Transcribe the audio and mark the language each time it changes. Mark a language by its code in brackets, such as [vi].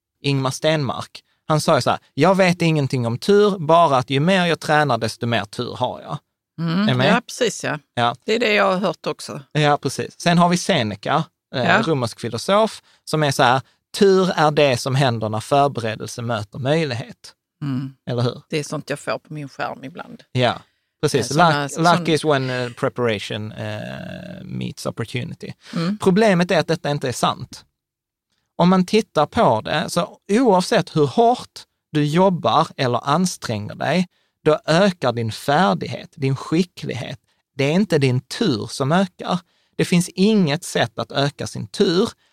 [sv] Ingmar Stenmark. Han sa ju så här, jag vet ingenting om tur, bara att ju mer jag tränar desto mer tur har jag. Mm, ja, precis, ja. Ja. Det är det jag har hört också. Ja, precis. Sen har vi Seneca. Ja. Romersk filosof, som är så här, tur är det som händer när förberedelse möter möjlighet. Mm. Eller hur? Det är sånt jag får på min skärm ibland. Ja, precis. [en] Luck is when preparation meets opportunity. Mm. [sv] Problemet är att detta inte är sant. Om man tittar på det, så oavsett hur hårt du jobbar eller anstränger dig, då ökar din färdighet, din skicklighet. Det är inte din tur som ökar. Det finns inget sätt att öka sin tur.